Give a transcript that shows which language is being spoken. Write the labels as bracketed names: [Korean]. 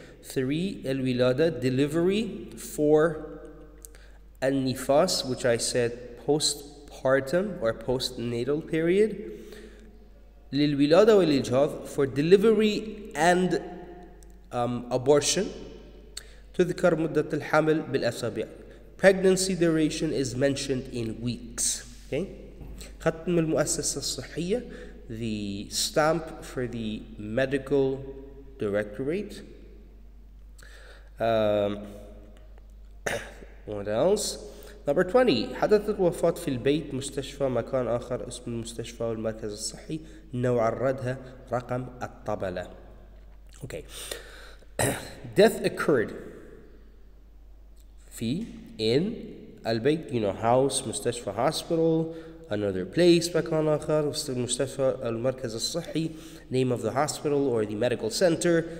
[English] 3, الولادة, delivery. 4, النفاس, which I said postpartum or postnatal period. [Arabic] للولادة والإجهاض, [English] for delivery and abortion. [Arabic] تذكر مدة الحمل بالأسابيع. [English] Pregnancy duration is mentioned in weeks. Okay, [Arabic] ختم المؤسسة الصحية, [English] the stamp for the medical directorate. What else? Number 20. [Arabic] حدث الوفاة في البيت, مستشفى, مكان آخر, اسم المستشفى والمركز الصحي, نوع الردها, رقم الطبلة. [English] Okay, death occurred. [Arabic] في [English] in [Arabic] البيت, [English] you know, house, مستشفى, hospital, another place, [Arabic] مكان آخر, مستشفى, المركز الصحي, [English] name of the hospital or the medical center.